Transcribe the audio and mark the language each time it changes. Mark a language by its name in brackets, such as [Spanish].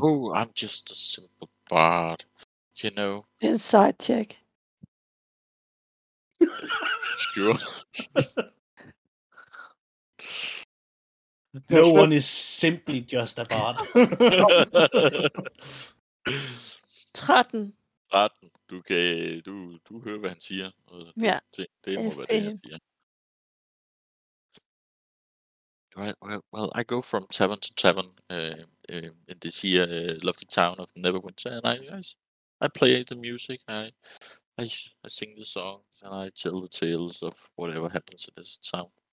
[English] Oh, I'm just a simple bard, you know. Inside check. Sure. No Which one is simply just a bard. 13. 13. [Danish] Du kan du hører hvad han siger. Ja. Det må være det han siger. [English] Right. Well, I go from tavern to tavern in this here lovely town of Neverwinter, and I play the music. I sing the songs, and I tell the tales of whatever happens in this town.